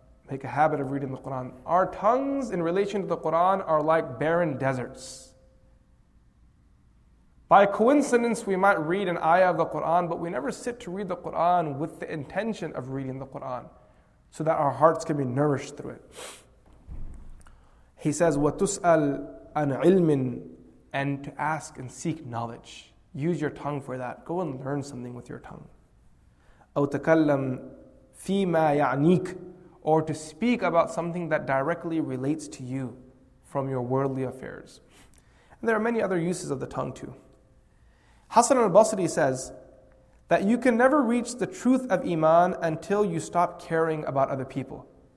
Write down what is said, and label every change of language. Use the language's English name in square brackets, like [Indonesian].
[English] Make a habit of reading the Qur'an. Our tongues in relation to the Qur'an are like barren deserts. By coincidence, we might read an ayah of the Qur'an, but we never sit to read the Qur'an with the intention of reading the Qur'an, so that our hearts can be nourished through it. He says, [Arabic] وَتُسْأَلْ عَنْ عِلْمٍ. [English] And to ask and seek knowledge. Use your tongue for that. Go and learn something with your tongue. [Arabic] أَوْ تَكَلَّمْ فِي مَا يَعْنِيكَ. [English] Or to speak about something that directly relates to you from your worldly affairs. And there are many other uses of the tongue too. Hasan al-Basri says that you can never reach the truth of iman until you stop caring about other people.